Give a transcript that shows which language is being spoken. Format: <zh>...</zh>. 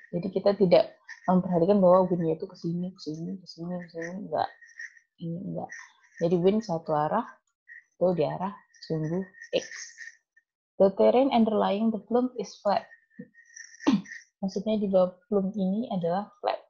<id>Jadi kita tidak memperhatikan bahwa windnya itu kesini enggak, ini enggak. Jadi wind satu arah, itu di arah sumbu X.</id> <en>The terrain underlying the plume is flat.</en> <id>Maksudnya di bawah plume ini adalah flat.</id>